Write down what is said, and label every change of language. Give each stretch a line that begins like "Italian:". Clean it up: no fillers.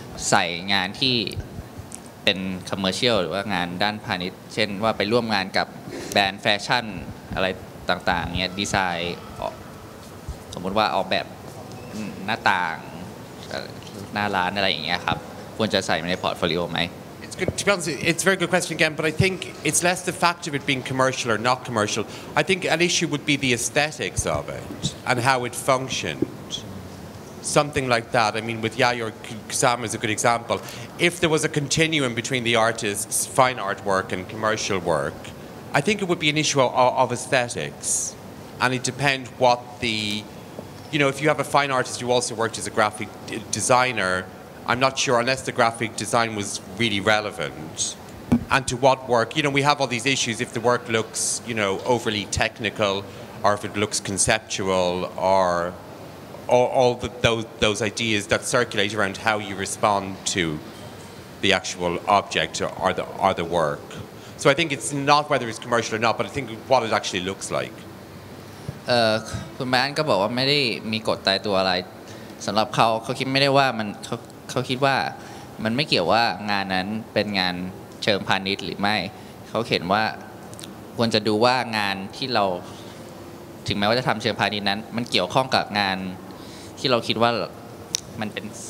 Thai: ใส่งานที่เป็นคอมเมอร์เชียลหรือว่างานด้านพาณิชย์เช่นว่าไปร่วมงานกับแบรนด์แฟชั่นอะไรต่างๆเนี่ยดีไซน์สมมติว่าออกแบบหน้าต่างหน้าร้านอะไรอย่างเงี้ยครับควรจะใส่ไว้ในพอร์ตโฟลิโอไหม
English: It's good to be honest. It's a very good question again, but I think it's less the fact of it being commercial or not commercial. I think an issue would be the aesthetics of it and how it functioned. Something like that. I mean, with Yayoi Kusama is a good example. If there was a continuum between the artist's fine artwork and commercial work, I think it would be an issue of aesthetics, and it depends what the You know, if you have a fine artist who also worked as a graphic designer, I'm not sure, unless the graphic design was really relevant. And to what work? You know, we have all these issues. If the work looks, you know, overly technical, or if it looks conceptual, or all the, those ideas that circulate around how you respond to the actual object or the work. So I think it's not whether it's commercial or not, but I think what it actually looks like.
Thai: คุณแมนก็บอกว่าไม่ได้มีกฎตายตัวอะไรสำหรับเขาคิดไม่ได้ว่ามันเขาคิดว่ามันไม่เกี่ยวว่างานนั้นเป็นงานเชิงพาณิชย์หรือไม่เขาเห็นว่าควรจะดูว่างานที่เราถึงแม้ว่าจะทำเชิงพาณิชย์นั้นมันเกี่ยวข้องกับงานที่เราคิดว่ามันเป็น